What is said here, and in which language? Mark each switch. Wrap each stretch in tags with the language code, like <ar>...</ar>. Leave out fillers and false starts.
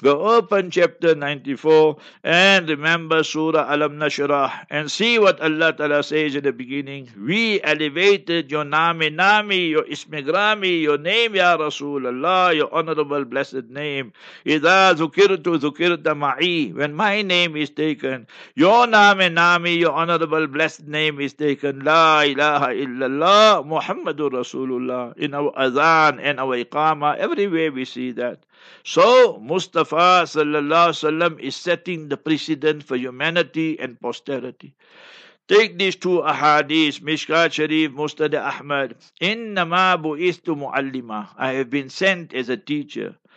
<en>Go open chapter 94 and remember Surah Alam Nashrah and see what Allah Ta'ala says in the beginning. We elevated your Nami, your Ismigrami, your name, Ya Rasulullah, your honorable blessed name.</en> <ar>إِذَا ذُكِرْتُ ذُكِرْتَ مَعِي.</ar> <en>When my name is taken, your Nami, your honorable blessed name is taken.</en> <ar>لا إله إلا الله محمد رسول الله.</ar> <en>In our Adhan and our Iqama, everywhere we see that. So Mustafa sallallahu alaihi wasallam is setting the precedent for humanity and posterity. Take these two ahadith, Mishkat Sharif, Mustad Ahmad.</en> <ar>Innama bu'ithtu mu'allima.</ar> <en>I have been sent as a teacher.</en>